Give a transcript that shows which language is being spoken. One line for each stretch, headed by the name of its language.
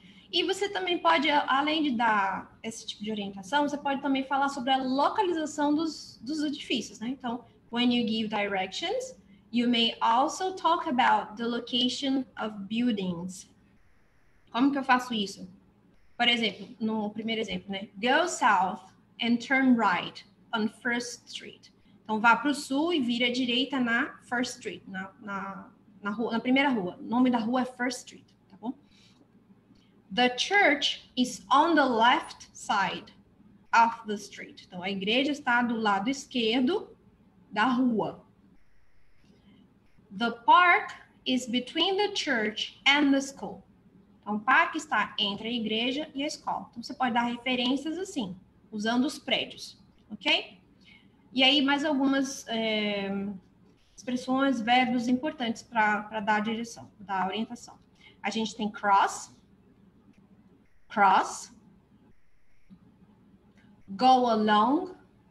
Portuguese: E você também pode, além de dar esse tipo de orientação, você pode também falar sobre a localização dos edifícios, né?
English: Então, when you give directions, you may also talk about the location of buildings.
Portuguese: Como que eu faço isso? Por exemplo, no primeiro exemplo, né?
English: Go south and turn right on First Street.
Portuguese: Então, vá para o sul e vira à direita na First Street, na rua, na primeira rua. O nome da rua é First Street, tá bom?
English: The church is on the left side of the street.
Portuguese: Então, a igreja está do lado esquerdo da rua.
English: The park is between the church and the school.
Portuguese: Então, o parque está entre a igreja e a escola. Então, você pode dar referências assim, usando os prédios, ok? E aí, mais algumas expressões, verbos importantes para dar a direção, dar a orientação. A gente tem cross, cross, go along.